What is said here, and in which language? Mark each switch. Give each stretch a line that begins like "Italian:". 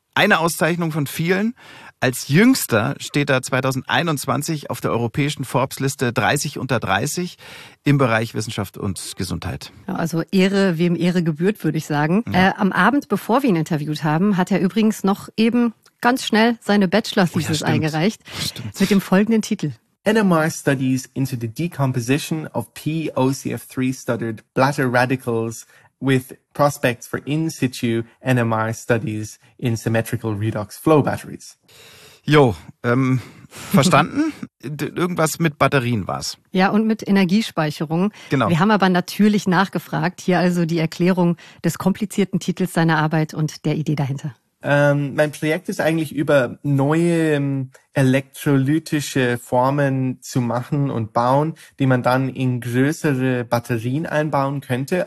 German: eine Auszeichnung von vielen. Als Jüngster steht er 2021 auf der europäischen Forbes-Liste 30 unter 30 im Bereich Wissenschaft und Gesundheit. Also Ehre, wem Ehre gebührt, würde ich sagen. Ja. Am Abend, bevor wir ihn interviewt haben, hat er übrigens noch eben ganz schnell seine Bachelor-Thesis eingereicht. Stimmt. Mit dem folgenden Titel.
English: NMR studies into the decomposition of POCF3-studded bladder radicals with prospects for in-situ NMR studies in symmetrical redox flow batteries.
German: Jo, verstanden. Irgendwas mit Batterien war's. Ja, und mit Energiespeicherung. Genau. Wir haben aber natürlich nachgefragt. Hier also die Erklärung des komplizierten Titels seiner Arbeit und der Idee dahinter. Mein Projekt ist eigentlich über neue elektrolytische Formen zu machen und bauen, die man dann in größere Batterien einbauen könnte.